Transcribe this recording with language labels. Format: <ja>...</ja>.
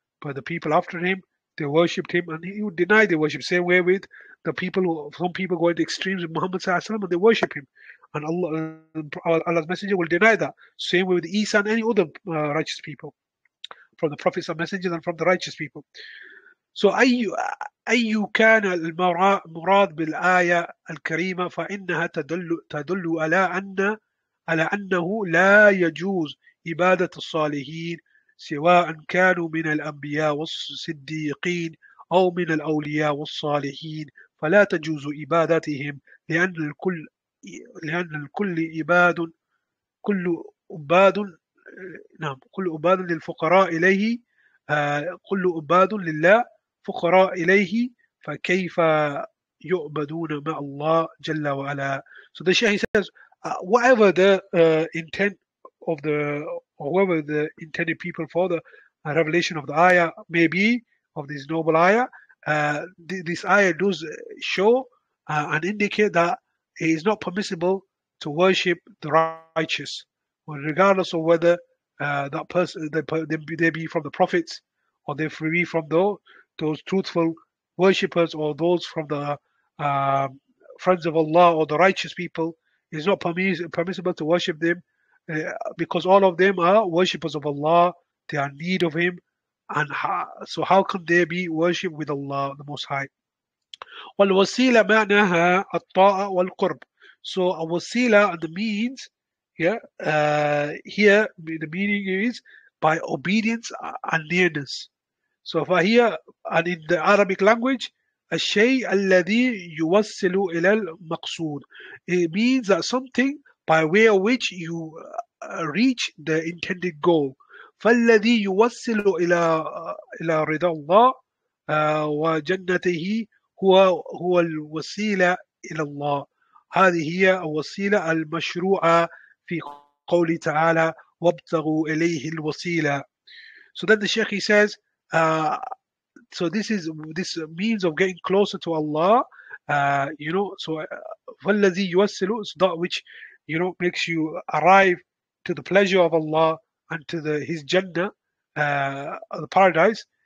<en>But the people after him, they worshipped him, and he would deny their worship. Same way with the people, some people going to extremes with Muhammad Sallallahu Alaihi Wasallam, and they worship him. And Allah's Messenger will deny that. Same way with Isa and any other righteous people, from the prophets and messengers and from the righteous people.</en> <ar>So, أيّ كان المراد بالآية الكريمة فإنها تدل على أن على أنه لا يجوز عبادة الصالحين سواء كانوا من الأنبياء والصديقين أو من الأولياء والصالحين فلا تجوز عبادتهم لأن الكل عباد كل عباد نعم كل عباد للفقراء إليه كل عباد لله فقراء إليه فكيف يعبدون مع الله جل وعلا.</ar> <en>So the Shaykh says, whatever the intent of the whoever the intended people for the revelation of the ayah may be, of this noble ayah, this ayah does show and indicate that it is not permissible to worship the righteous, regardless of whether that person they be from the prophets or they be from those truthful worshippers or those from the friends of Allah or the righteous people. It's not permissible to worship them because all of them are worshippers of Allah. They are in need of Him. And so how can they be worship with Allah, the Most High?</en> <ar>وَالْوَسِيلَ مَعْنَهَا الطَّاعَ وَالْقُرْبِ.</ar> <en>So a wasila, and the means, here the meaning is by obedience and nearness. So for here, and in the Arabic language,</en> <ar>الشيء الذي يوصل إلى المقصود.</ar> <en>It means that something by way of which you reach the intended goal.</en> <ar>فالذي يوصل إلى رضا الله وجنته هو الوسيلة إلى الله. هذه هي الوسيلة المشروعة في قول تعالى وابتغوا إليه الوسيلة.</ar> <en>So then the Sheikh, he says, so this means of getting closer to Allah, you know. So</en> <ar>فَالَّذِي يُوَسِّلُ,</ar> <en>so that which, you know, makes you arrive to the pleasure of Allah and to the His Jannah, the paradise.</en>